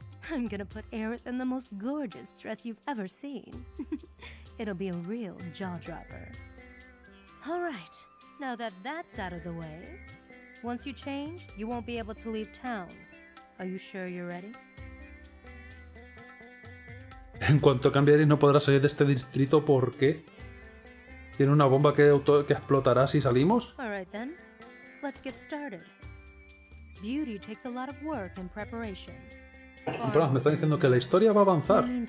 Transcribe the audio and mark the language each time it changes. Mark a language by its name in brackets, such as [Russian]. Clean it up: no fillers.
[English] I'm gonna put Aerith in the most gorgeous dress you've ever seen. It'll be a real jaw-dropper. All right, now that that's out of the way, once you change, you won't be able to leave town. Are you sure you're ready? [Spanish] En cuanto cambiaré, no podrá salir de este distrito, ¿por qué? ¿Tiene una bomba que explotará si salimos? [English] All right, then. Let's get started. Beauty takes a lot of work and preparation. [Spanish] Pero me están diciendo que la historia va a avanzar.